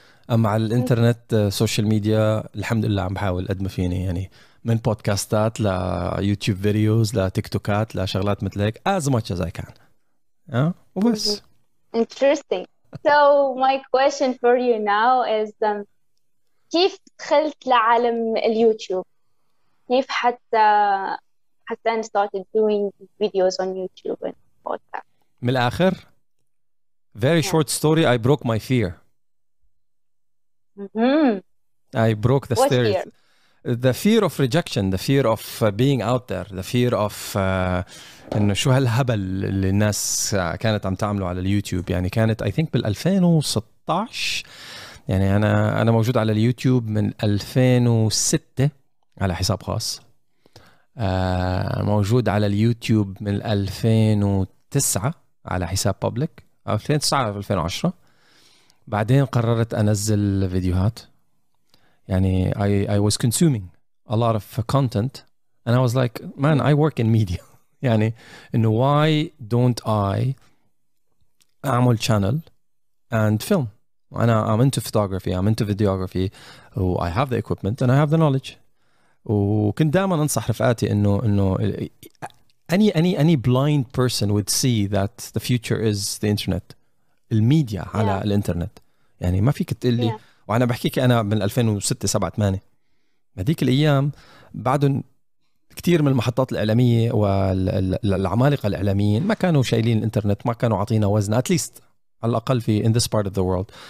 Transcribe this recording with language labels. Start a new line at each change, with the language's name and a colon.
Arabic: أما على الإنترنت سوشيال ميديا الحمد لله عم بحاول قد ما فيني، يعني من بودكاستات ليوتيوب فيديوز لتيك توكات لشغلات مثل هيك
English: as much as I can.
Arabic: وبس.
English: Interesting. So my question for you now is
Arabic: كيف دخلت لعالم اليوتيوب؟ كيف حتى
English: I started doing videos on YouTube and podcast.
Arabic: من الآخر
English: very short story, I broke my fear. I broke the stairs. The fear of rejection, the fear of being out there, the fear of
Arabic: إنه شو هالهبل اللي الناس كانت عم تعمله على اليوتيوب. يعني كانت
English: I think
Arabic: بال 2016، يعني أنا موجود على اليوتيوب من 2006 على حساب خاص، موجود على اليوتيوب من 2009 على حساب
English: public،
Arabic: 2009 في 2010 بعدين قررت أنزل فيديوهات.
English: يعني I was consuming a lot of content and I was like man I work in media. يعني إنه why don't I
Arabic: أعمل
English: channel and film. أنا I'm into photography, I'm into videography, I have the equipment and I have the knowledge.
Arabic: وكنت دائما أنصح رفقاتي إنه
English: any blind person would see that the future is the internet.
Arabic: الميديا على الانترنت. يعني ما فيك تقول لي وانا بحكيك انا من 2006 7 8 هذيك الايام بعدهم كثير من المحطات الاعلاميه والعمالقه الاعلاميين ما كانوا شايلين الانترنت، ما كانوا عطينا وزن
English: at least
Arabic: على الاقل في
English: in this part of the world.